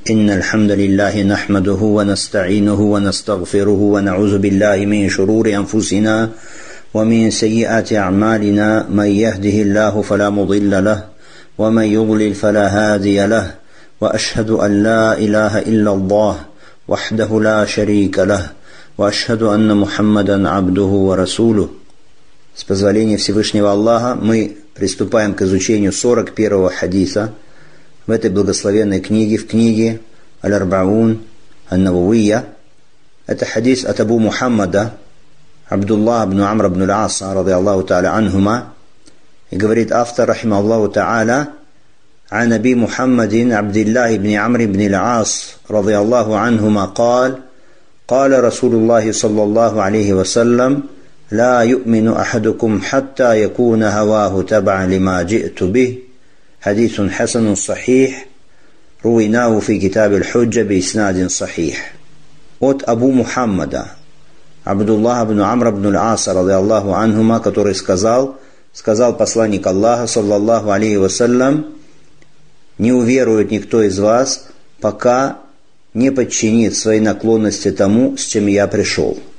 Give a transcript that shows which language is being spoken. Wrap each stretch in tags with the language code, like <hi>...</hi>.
<ar>إن الحمد لله نحمده ونستعينه ونستغفره ونعوذ بالله من شرور أنفسنا ومن سيئات أعمالنا، من يهده الله فلا مضل له ومن يضلل فلا هادي له، وأشهد أن لا إله إلا الله وحده لا شريك له، وأشهد أن محمدا عبده ورسوله.</ar> <ru>С позволения Всевышнего Аллаха мы приступаем к изучению 41-го хадиса в этой благословенной книге, в книге «Аль-Арбаун Ан-Навувия». Это хадис от Абу Мухаммада, Абдуллах ибн Амр ибн Аль-Аса, ради Аллаху Та'аля анхума. И говорит автор,</ru> <ar>рахима Аллаху Та'аля, «Ан Аби Мухаммадин Абдиллах ибн Амр ибн Аль-Ас, ради Аллаху анхума, قال, قال رسول الله صلى الله عليه وسلم, لا يؤمن أحدكم حتى يكون هواه تبع لما جئت به. حديث حسن صحيح رويناه في كتاب الحجة بإسناد صحيح».</ar> <ru>От Абу Мухаммада, Абдуллах ибн Амр ибн Аль-Ас,</ru> <ar>رضي الله عنهما,</ar> <ru>который сказал посланник Аллаха, саллаллаху алейхи вассалям, не уверует никто из вас, пока не подчинит свои наклонности тому, с чем я пришел.</ru>